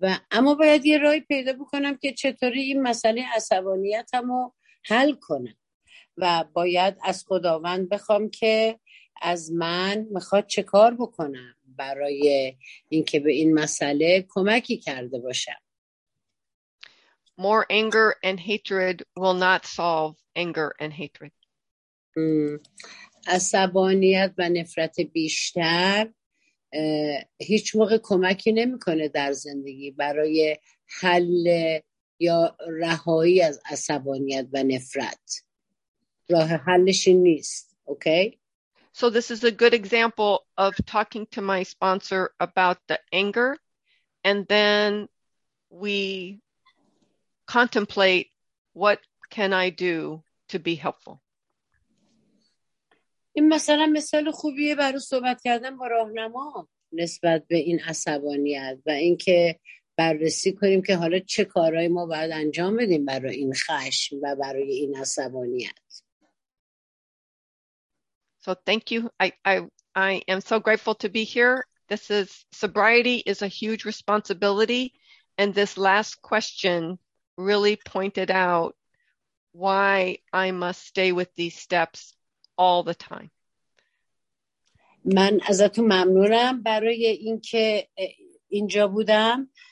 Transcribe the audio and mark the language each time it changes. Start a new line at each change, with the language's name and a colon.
Persian: اما باید یه راهی پیدا بکنم که چطوری این مسئله عصبانیتمو حل کنم و باید از خداوند بخوام که از من میخواد چه کار بکنم برای اینکه به این مسئله کمکی کرده باشم.
English: More anger and hatred will not solve anger and hatred.
Persian: عصبانیت و نفرت بیشتر هیچ موقع کمکی نمیکنه در زندگی برای حل یا رهایی از عصبانیت و نفرت. راه حلش این نیست. اوکی؟
English: So this is a good example of talking to my sponsor about the anger, and then we contemplate what can I do to be helpful.
Persian: این مثلا مثال خوبیه برای صحبت کردن با راهنما نسبت به این عصبانیت و اینکه بررسی کنیم که حالا چه کارهای ما باید انجام بدیم برای این خشم و برای این عصبانیت.
English: So thank you. I am so grateful to be here. Sobriety is a huge responsibility, and this last question really pointed out why I must stay with these steps all the time.
Persian: من ازتون ممنونم برای اینکه اینجا بودم.